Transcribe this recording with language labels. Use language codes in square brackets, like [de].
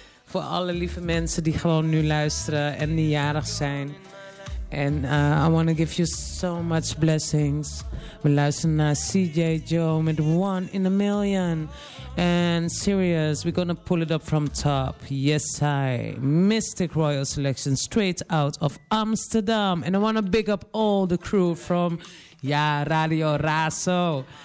[nl] Voor alle lieve mensen die gewoon nu luisteren en die jarig zijn. [en] And I want to give you so much blessings. [nl] We luisteren naar CJ Joe met One in a Million. [en] And Sirius, we're going to pull it up from top. Yes, I. Mystic Royal Selection straight out of Amsterdam. And I want to big up all the crew from Ja Radio Raso.